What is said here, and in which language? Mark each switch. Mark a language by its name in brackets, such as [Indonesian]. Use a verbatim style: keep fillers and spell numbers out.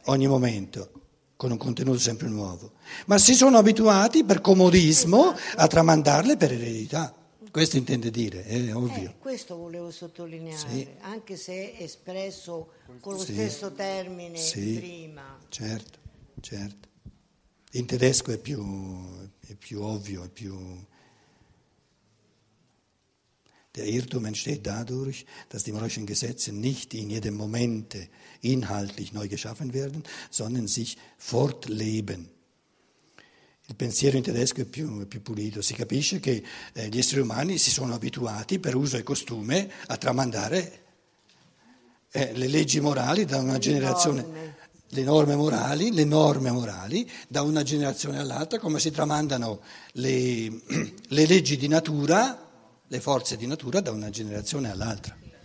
[Italian] ogni momento, con un contenuto sempre nuovo, ma si sono abituati per comodismo a tramandarle per eredità. Questo intende dire, è ovvio. Eh, questo volevo sottolineare, sì, anche se espresso con lo sì, stesso termine sì, prima. Certo, certo. In tedesco è più, è più ovvio, è più... [German] Der Irrtum entsteht dadurch, dass die moralischen Gesetze nicht in jedem Moment inhaltlich neu geschaffen werden, sondern sich fortleben. [Italian] Il pensiero in tedesco è più, è più pulito, si capisce che eh, gli esseri umani si sono abituati per uso e costume a tramandare eh, le leggi morali da una le generazione, norme. le norme morali, le norme morali da una generazione all'altra, come si tramandano le, le leggi di natura, le forze di natura da una generazione all'altra.